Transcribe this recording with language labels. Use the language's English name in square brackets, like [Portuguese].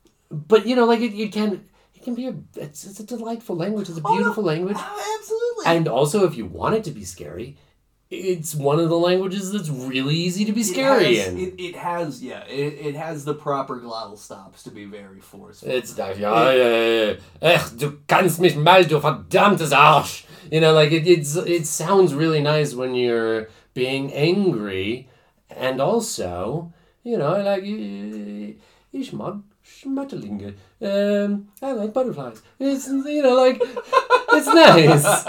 [English] But you know, like it's a delightful language. It's a beautiful language. Absolutely. And also, if you want it to be scary, it's one of the languages that's really easy to be scary in. It has the proper glottal stops to be very forceful. It's like, [German] du kannst mich mal, du verdammtes Arsch! [English] You know, like, it sounds really nice when you're being angry, and also, you know, like, [German] ich mag Schmetterlinge. [English] I like butterflies. It's, you know, like, it's nice.